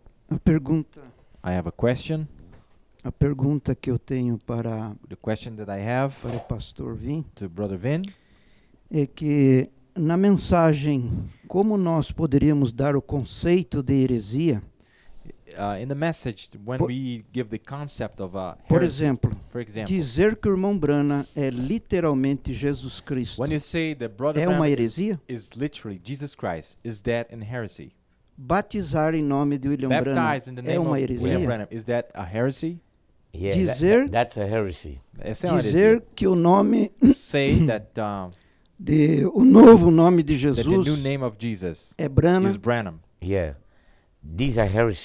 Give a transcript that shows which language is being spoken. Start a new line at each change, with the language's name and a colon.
Portuguese: a pergunta.
English: I have a question.
Portuguese: A pergunta que eu tenho para
English: the question that I have
Portuguese: para o pastor Vin,
English: to brother Vin,
Portuguese: é que na mensagem como nós poderíamos dar o conceito de heresia?
English: In the message, when we give the concept of a heresy,
Portuguese: por exemplo,
English: for example,
Portuguese: dizer que o irmão Branham é literalmente Jesus Cristo,
English: when you say that brother
Portuguese: é uma heresia?
English: Is literally Jesus Christ, is that an heresy?
Portuguese: Batizar em nome de William Branham é uma heresia?
English: Branham, is that a heresy? Yeah,
Portuguese: dizer
English: that's a heresy.
Portuguese: Dizer que o nome
English: say that
Portuguese: de o novo nome de Jesus,
English: the new name of Jesus
Portuguese: é Branham.
English: Is Branham. Yeah. These are heresies.